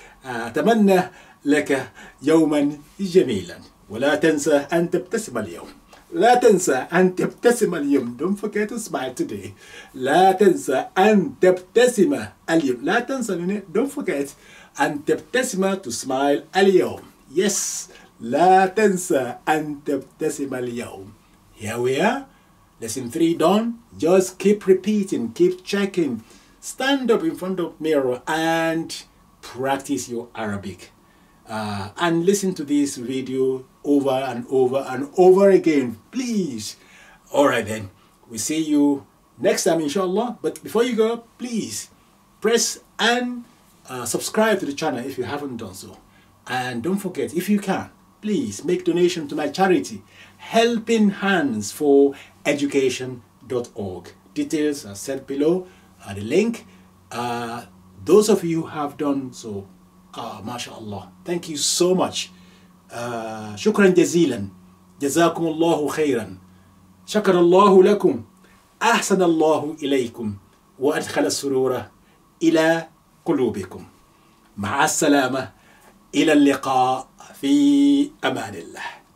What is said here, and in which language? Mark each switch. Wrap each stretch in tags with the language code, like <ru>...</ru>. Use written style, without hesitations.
<ar>أتمنى لك يوما جميلا. ولا تنسى أن تبتسم اليوم. لا تنسى أن تبتسم اليوم.</ar> <en>Don't forget to smile today.</en> <ar>لا تنسى أن تبتسم اليوم. لا تنسى مني.</ar> <en>Don't forget</en> <ar>أن تبتسم</ar> <en>to smile</en> <ar>اليوم.</ar> <en>Yes.</en> <ar>لا تنسى أن تبتسم اليوم.</ar> <en>Here we are. Lesson 3 done. Just keep repeating. Keep checking. Stand up in front of mirror and practice your Arabic. And listen to this video over and over and over again, please. All right then, we see you next time inshallah. But before you go, please press and subscribe to the channel if you haven't done so. And don't forget, if you can, please make donation to my charity, Helping Hands for Education.org. Details are set below the link. Those of you who have done so, mashallah, thank you so much.</en> <ar>شكرا جزيلا جزاكم الله خيرا شكر الله لكم أحسن الله إليكم وأدخل السرور إلى قلوبكم مع السلامة إلى اللقاء في أمان الله.</ar>